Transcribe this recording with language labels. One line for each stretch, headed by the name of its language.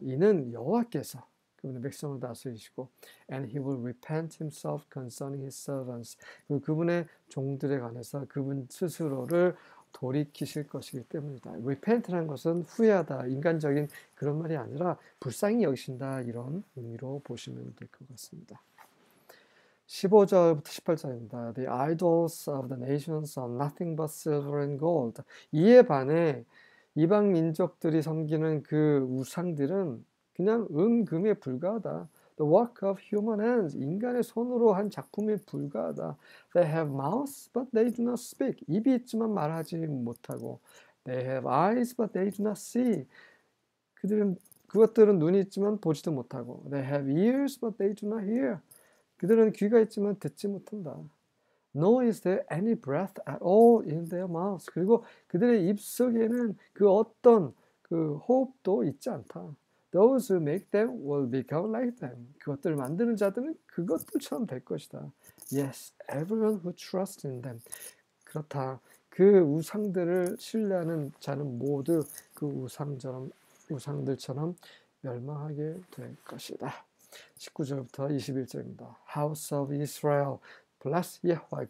Korean: 이는 여호와께서 그분의 백성을 다스리시고,
English: and he will repent himself concerning his servants.
Korean: 그분의 종들에 관해서 그분 스스로를 돌이키실 것이기 때문이다. Repent라는 것은 후회하다, 인간적인 그런 말이 아니라 불쌍히 여기신다, 이런 의미로 보시면 될것 같습니다. 15절부터 18절입니다.
English: The idols of the nations are nothing but silver and gold.
Korean: 이에 반해 이방 민족들이 섬기는 그 우상들은 그냥 은금에 불과하다.
English: The work of human hands,
Korean: 인간의 손으로 한 작품에 불과하다.
English: They have mouths, but they do not speak.
Korean: 입이 있지만 말하지 못하고.
English: They have eyes, but they do not see.
Korean: 그것들은 눈이 있지만 보지도 못하고.
English: They have ears, but they do not hear.
Korean: 그들은 귀가 있지만 듣지 못한다.
English: Nor is there any breath at all in their mouths.
Korean: 그리고 그들의 입속에는 그 어떤 그 호흡도 있지 않다.
English: Those who make them will become like them.
Korean: 그것들을 만드는 자들은 그것들처럼 될 것이다.
English: Yes, everyone who trusts in them.
Korean: 그렇다. 그 우상들을 신뢰하는 자는 모두 그 우상들처럼 멸망하게 될 것이다. 19절부터 21절입니다.
English: House of Israel, bless Yahweh.